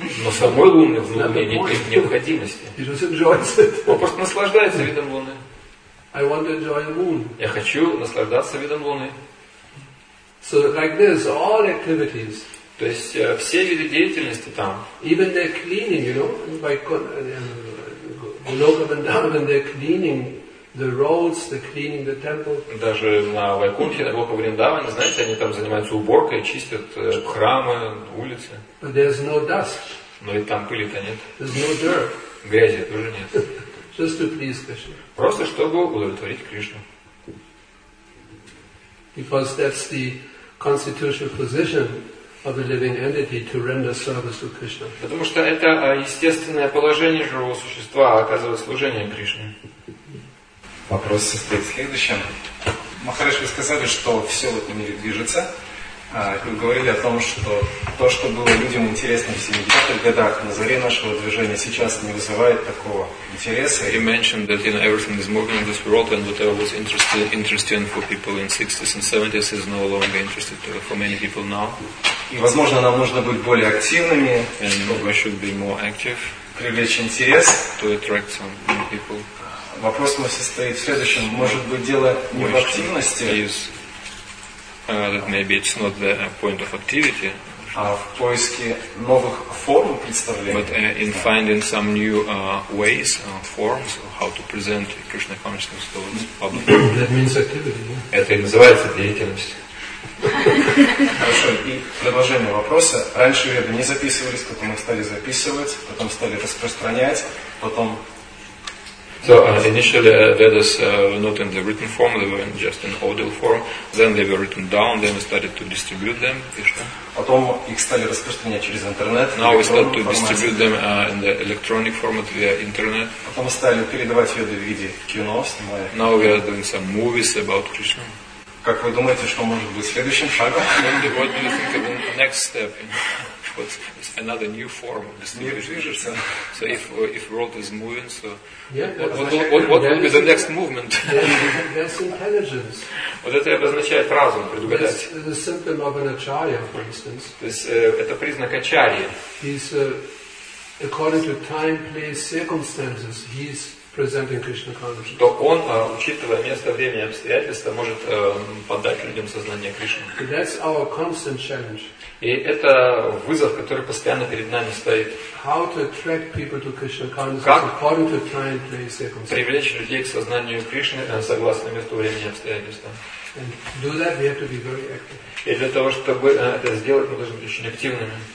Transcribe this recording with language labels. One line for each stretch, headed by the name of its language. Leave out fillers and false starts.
Russian: Но самой Луны в Луне нет необходимости.
English: He just enjoys it.
Russian: Он просто наслаждается видом Луны.
English: I want to enjoy the moon.
Russian: Я хочу наслаждаться видом Луны.
English: So like this, all activities.
Russian: То есть все виды деятельности там.
English: Even their cleaning, you know, like Goloka Vrindavan, their cleaning. The roads, the cleaning, the temple.
Russian: Даже на Вайкунхе, на Голока Вриндаване, знаете, они там занимаются уборкой, чистят храмы, улицы.
English: But there's no dust.
Russian: Но ведь там пыли-то нет.
English: There's no dirt.
Russian: Грязи тоже нет.
English: Just to please Krishna.
Russian: Просто чтобы удовлетворить Кришну.
English: Because that's the constitutional position of the living entity to render service to Krishna.
Russian: Потому что это естественное положение живого существа оказывать служение Кришне. Вопрос состоит в следующем. Махарадж, вы сказали, что все в этом мире движется. Вы говорили о том, что то, что было людям интересно в 70-х годах, на заре нашего движения, сейчас не вызывает такого интереса.
English: You mentioned that, you know, everything is moving in this world, and whatever was interesting for people in 60s and 70s is no longer interesting for many people now.
Russian: И, возможно, нам нужно быть более активными.
English: And we should be more active.
Russian: Привлечь интерес.
English: To attract some people.
Russian: Вопрос мой состоит в следующем. Может быть, дело не в активности,
English: maybe it's not the point of activity,
Russian: а в поиске новых форм представления.
English: But in finding some new ways, forms, how to present Krishna consciousness to the public. That means activity. Yeah.
Russian: Это и называется деятельность. Хорошо. И продолжение вопроса. Раньше веды не записывались, потом их стали записывать, потом стали распространять, потом
English: So initially Vedas were not in the written form, they were just in audio form. Then they were written down, then we started to distribute them.
Russian: Потом их стали распространять через интернет.
English: Now we started to distribute them in the electronic format via internet.
Russian: Потом стали передавать Веды в виде кино, снимая.
English: Now we are doing some movies about Krishna.
Russian: Как вы думаете, что может быть следующим шагом?
English: And what do you think of the next step? It's another new form of distribution. So if world is moving, so what would be the next movement? That's intelligence.
Russian: Вот это обозначает разум, предугадать.
English: This is a symptom of an acharya, for instance.
Russian: То есть это признак ачарьи.
English: He's according to time, place, circumstances, he's presenting Krishna consciousness.
Russian: То он, учитывая место, время и обстоятельства, может подать людям сознание Кришны.
English: That's our constant challenge.
Russian: И это вызов, который постоянно перед нами стоит.
English: How to attract people to Krishna consciousness according to time, place, circumstances.
Russian: Привлечь людей к сознанию Кришны согласно месту, времени и обстоятельствам.
English: And do that, we have to be very active.
Russian: И для того, чтобы это сделать, мы должны быть очень активными.